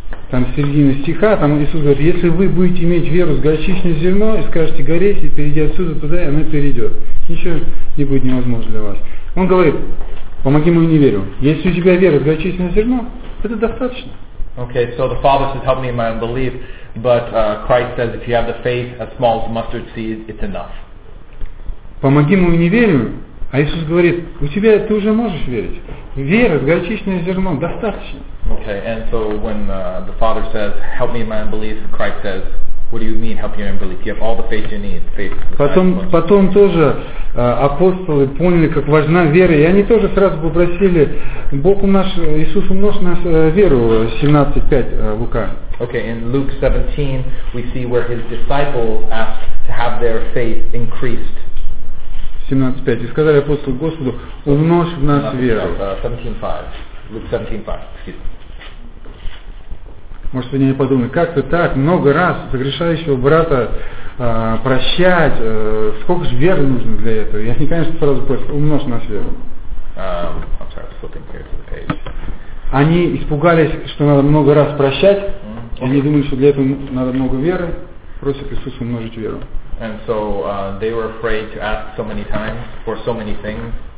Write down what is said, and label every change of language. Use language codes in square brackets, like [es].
[ru] Там середина стиха, там Иисус говорит: если вы будете иметь веру с горчичное зерно и скажете гореть, и перейди отсюда туда, и оно перейдет. Ничего не будет невозможно для вас. Он говорит: помоги мою неверию. Если у тебя вера с горчичное зерно, это достаточно. [en] Okay, so the Father says, help me in my unbelief, but Christ says, if you have the faith as small as mustard seed, it's enough. [ru] Помоги мою неверию, а Иисус говорит: у тебя ты уже можешь верить. Вера с горчичное зерно достаточно. [en] Okay, and so when the Father says, help me in my unbelief, Christ says, what do you mean, help you in unbelief? You have all the faith you need. Faith. [ru] Потом тоже апостолы поняли, как важна вера, и они тоже сразу попросили, Бог умножь, Иисус умножь нас веру, 17.5 Лука. [en] Okay, in Luke 17, we see where his disciples asked to have their faith increased. [ru] 17.5, и сказали апостолы Господу, умножь в нас веру. [en] 17.5. Luke 17:5. [ru] Может, они подумают, как ты так много раз согрешающего брата прощать? Сколько же веры нужно для этого? Я не, конечно, сразу просто умножь нас веру. [en] I'm sorry, I'm flipping here to the page. [ru] Они испугались, что надо много раз прощать. Mm-hmm. Okay. Они думали, что для этого надо много веры. Просят Иисуса умножить веру. [en] And so they were afraid to ask so many times for so many things.